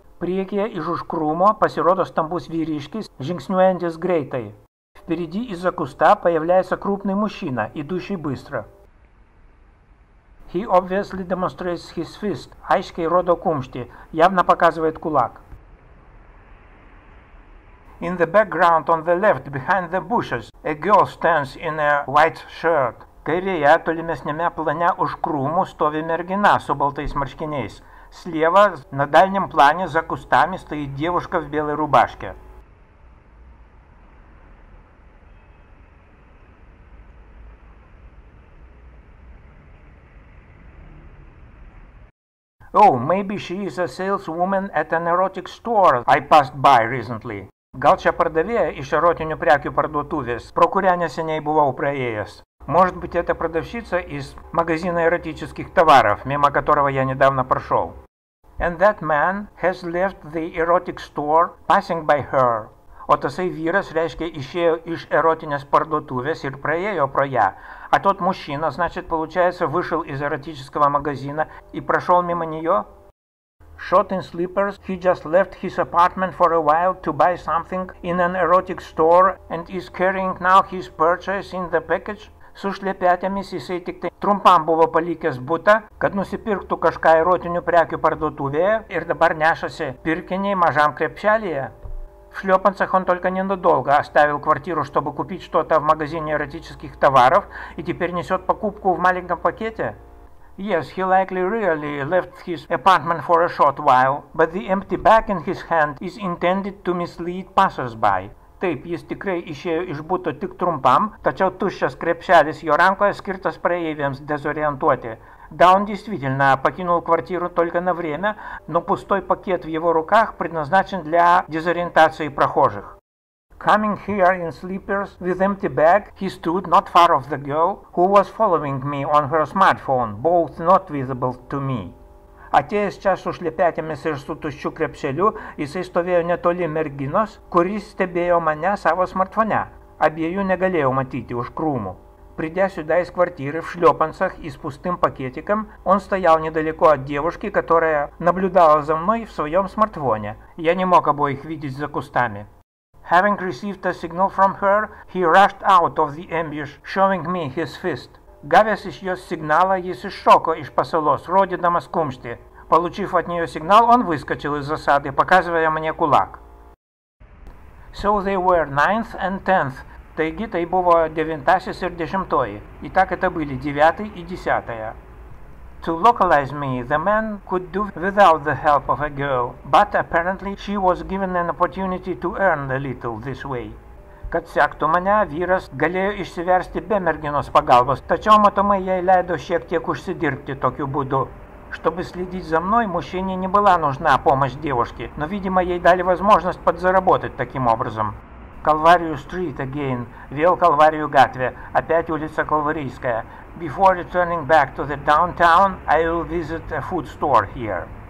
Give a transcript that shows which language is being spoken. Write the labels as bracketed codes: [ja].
[lt] Priekyje iš už krūmo pasirodo stambus vyriškis, žingsniuojantis greitai. [ru] Впереди из-за куста появляется крупный мужчина, идущий быстро. [en] He obviously demonstrates his fist. [lt] Aiškiai rodo kumštį. [ru] Явно показывает кулак. [en] In the background on the left, behind the bushes, a girl stands in a white shirt. [lt] Kairėje, tolimesniame plane už krūmų, stovi mergina su baltais marškiniais. [ru] Слева, на дальнем плане, за кустами, стоит девушка в белой рубашке. [en] Oh, maybe she is a saleswoman at an erotic store I passed by recently. [lt] Gal čia pardavėja iš erotinių prekių parduotuvės, pro kurią neseniai buvau praėjęs. [ru] Может быть, это продавщица из магазина эротических товаров, мимо которого я недавно прошел. [en] And that man has left the erotic store passing by her. [lt] O tasai vyras, reiškia, išėjo iš erotinės parduotuvės ir praėjo pro ją. [ru] А тот мужчина, значит, получается, вышел из эротического магазина и прошел мимо нее? [en] Short in slippers, he just left his apartment for a while to buy something in an erotic store and is carrying now his purchase in the package. [lt] Su šlepetėmis jisai tik tai trumpam buvo palikęs butą, kad nusipirktų kažką erotinių prekių parduotuvėje ir dabar nešasi pirkinį mažam krepšelyje. [ru] В шлёпанцах он только ненадолго оставил квартиру, чтобы купить что-то в магазине эротических товаров, и теперь несёт покупку в маленьком пакете. [en] Yes, he likely really left his apartment for a short while, but the empty bag in his hand is intended to mislead passers-by. [lt] Taip, jis tikrai išėjo iš buto tik trumpam, tačiau tuščias krepšelis jo rankoje skirtas praeiviams dezorientuoti. [ru] Да, он действительно покинул квартиру только на время, но пустой пакет в его руках предназначен для дезориентации прохожих. [en] Coming here in slippers with empty bag, he stood not far of the girl, who was following me on her smartphone, both not visible to me. [lt] Atėjęs čia su šlepetėmis ir su tuščiu krepšeliu, jisai stovėjo netoli merginos, kuris stebėjo mane savo smartfone. Abiejų negalėjau matyti už krūmų. [ru] Придя сюда из квартиры в шлёпанцах и с пустым пакетиком, он стоял недалеко от девушки, которая наблюдала за мной в своём смартфоне. Я не мог обоих видеть за кустами. [en] Having received a signal from her, he rushed out of the ambush, showing me his fist. [ru] Гавясь из её сигнала, [lt] jis iššoko iš pasalos, rodydamas kumštį. [ru] Получив от неё сигнал, он выскочил из засады, показывая мне кулак. [en] So they were 9th and 10th. [lt] Taigi, tai buvo devintasis ir dešimtoji. [ru] И так это были девятый и десятая. [en] To localize me, the man could do without the help of a girl, but apparently she was given an opportunity to earn a little this way. [lt] Kad sektų mane, vyras galėjo išsiversti be merginos pagalbos, tačiau matomai jai leido šiek tiek užsidirbti tokiu būdu. [ru] Чтобы следить за мной, мужчине не была нужна помощь девушки, но, видимо, ей дали возможность подзаработать таким образом. [en] Calvario Street again, [lt] вел Калварию Гатве, [ru] опять улица Калварийская. [en] Before returning back to the downtown, I will visit a food store here.